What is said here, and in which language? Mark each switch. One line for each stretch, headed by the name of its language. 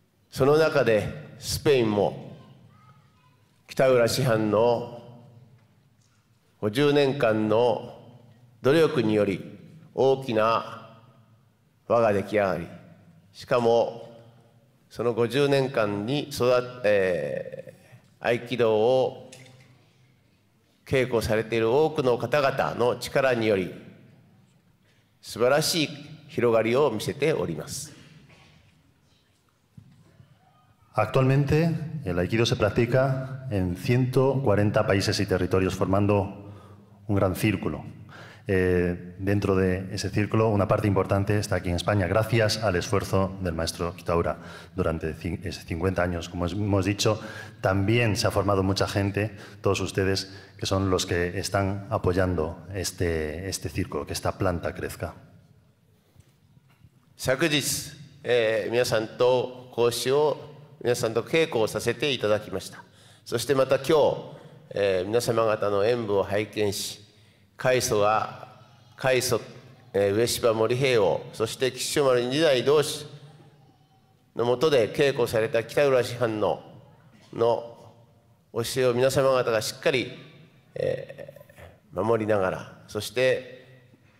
Japanese: その中でスペインも北浦師範の50年間の努力により大きな輪が出来上がり、しかもその50年間に合気道を稽古されている多くの方々の力により素晴らしい広がりを見せております。
Spanish: Actualmente, el Aikido se practica en 140 países y territorios, formando un gran círculo. Dentro de ese círculo, una parte importante está aquí en España, gracias al esfuerzo del maestro Kitaura durante esos 50 años. Como hemos dicho, también se ha formado mucha gente, todos ustedes, que son los que están apoyando este círculo, que esta planta crezca.
Japanese: 昨日、皆さんと講師を皆さんと稽古をさせていただきました。そしてまた今日、皆様方の演舞を拝見し、開祖が、開祖、上柴森平王、そして吉祖丸二代同士の下で稽古された北浦師範の、の教えを皆様方がしっかり、守りながら、そして